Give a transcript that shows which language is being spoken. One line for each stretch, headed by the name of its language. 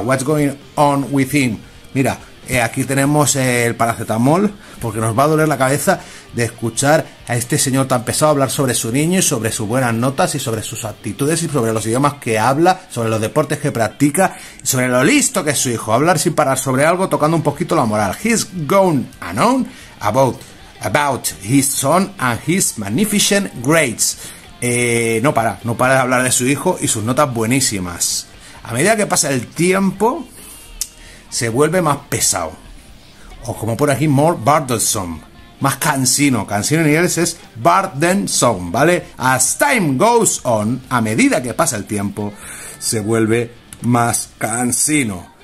English: What's going on with him?
Spanish: Mira, aquí tenemos el paracetamol, porque nos va a doler la cabeza de escuchar a este señor tan pesado hablar sobre su niño y sobre sus buenas notas y sobre sus actitudes y sobre los idiomas que habla, sobre los deportes que practica y sobre lo listo que es su hijo. Hablar sin parar sobre algo, tocando un poquito la moral.
English: He's gone and on about his son and his magnificent grades.
Spanish: No para de hablar de su hijo y sus notas buenísimas. A medida que pasa el tiempo, se vuelve más pesado. O como por aquí,
English: more burdensome.
Spanish: Más cansino. Cansino en inglés es burdensome, ¿vale?
English: As time goes on,
Spanish: a medida que pasa el tiempo, se vuelve más cansino.